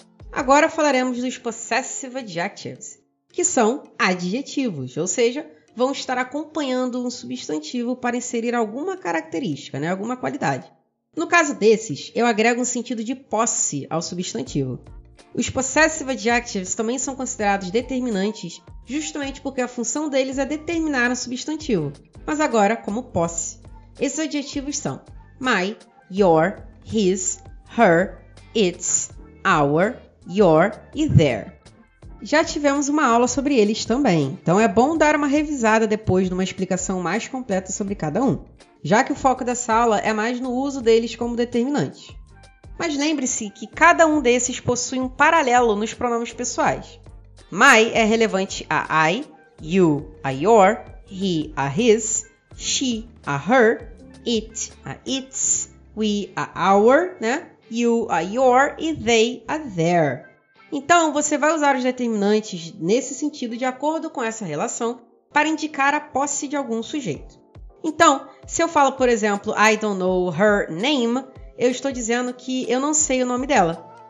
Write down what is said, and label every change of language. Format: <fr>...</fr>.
<pt>Agora falaremos dos possessive adjectives, que são adjetivos, ou seja, vão estar acompanhando um substantivo para inserir alguma característica, né, alguma qualidade. No caso desses, eu agrego um sentido de posse ao substantivo. Os possessive adjectives também são considerados determinantes justamente porque a função deles é determinar um substantivo, mas agora como posse. Esses adjetivos são my, your, his, her, its, our, your e their. Já tivemos uma aula sobre eles também, então é bom dar uma revisada depois numa explicação mais completa sobre cada um, já que o foco dessa aula é mais no uso deles como determinantes. Mas lembre-se que cada um desses possui um paralelo nos pronomes pessoais. My é relevante a I, you a your, he a his, she a her, it a its, we a our, né? You a your e they a their. Então, você vai usar os determinantes nesse sentido de acordo com essa relação para indicar a posse de algum sujeito. Então, se eu falo, por exemplo,</pt> <en>I don't know her name,</en> <pt>eu estou dizendo que eu não sei o nome dela.</pt>